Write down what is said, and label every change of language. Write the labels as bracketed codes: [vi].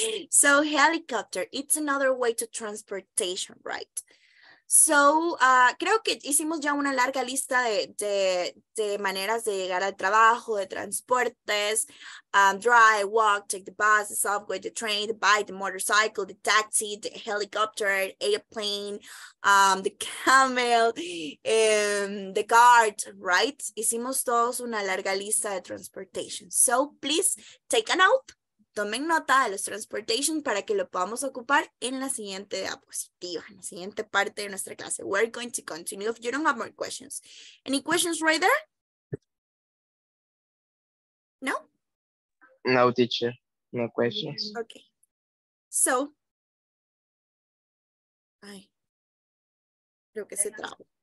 [en] So helicopter, it's another way to transportation, right? [es] So creo que hicimos ya una larga lista de maneras de llegar al trabajo, de transportes. [en] Drive, walk, take the bus, the subway, the train, the bike, the motorcycle, the taxi, the helicopter, airplane, the camel, the cart, right? [es] Hicimos todos una larga lista de transportation. [en] So please take a note. [es] Tomen nota de los transportation para que lo podamos ocupar en la siguiente diapositiva, en la siguiente parte de nuestra clase. [en] We're going to continue if you don't have more questions. Any questions right there? No? No, teacher. No questions. Okay. So. [es] Ay. Creo que se trabó.